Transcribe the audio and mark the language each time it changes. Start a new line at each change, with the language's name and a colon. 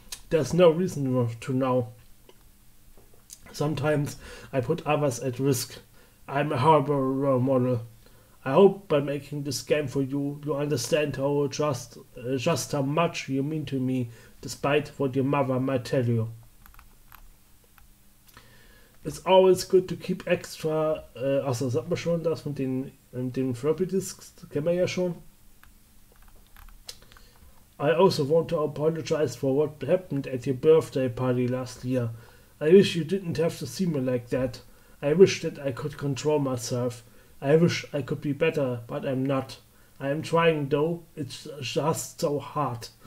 English: There's no reason to now. Sometimes I put others at risk. I'm a horrible role model. I hope by making this game for you, you understand how just how much you mean to me, despite what your mother might tell you. It's always good to keep extra...
German: Achso, sagt man schon das mit den Floppy Disks? Kennen wir ja schon.
English: I also want to apologize for what happened at your birthday party last year. I wish you didn't have to see me like that. I wish that I could control myself. I wish I could be better, but I'm not. I am trying though, it's just so hard.